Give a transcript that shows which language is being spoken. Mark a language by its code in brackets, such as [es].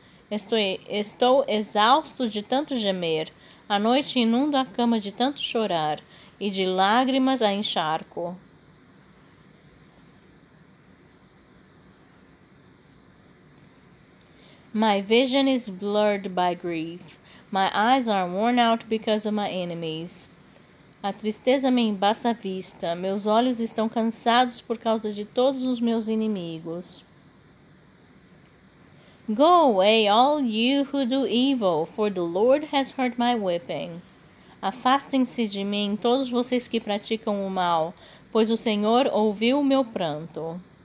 [pt] Estou exausto de tanto gemer. A noite inundo a cama de tanto chorar, e de lágrimas a encharco. [en] My vision is blurred by grief. My eyes are worn out because of my enemies. [pt] A tristeza me embaça a vista. Meus olhos estão cansados por causa de todos os meus inimigos. [en] Go away, all you who do evil, for the Lord has heard my weeping. [pt] Afastem-se de mim, todos vocês que praticam o mal, pois o Senhor ouviu o meu pranto.